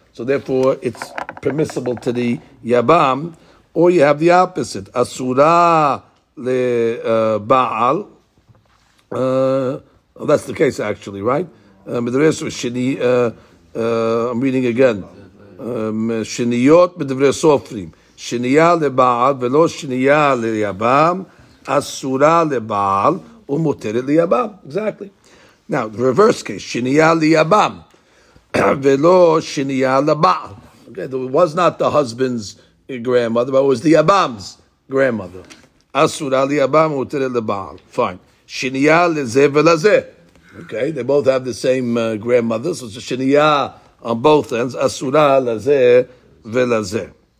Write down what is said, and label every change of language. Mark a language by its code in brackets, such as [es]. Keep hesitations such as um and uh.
[en] So therefore, it's permissible to the Yabam. Or you have the opposite. Asura le uh, Baal. Uh, well, that's the case, actually, right? Uh, Midrash Shini, uh, uh, I'm reading again. [he] Um, שניות בדברי סופרים. שנייה לבעל ולא שנייה ליבם, אסורה לבעל ומותרת ליבם. Exactly. Now, the reverse case, שנייה ליבם ולא שנייה לבעל. [en] Okay, it was not the husband's grandmother, but it was the yabam's grandmother. [he] אסורה ליבם ומותרת לבעל. Fine. שנייה לזה ולזה. [en] Okay, they both have the same uh, grandmother, so it's a שנייה on both ends, asura lazeh velazeh.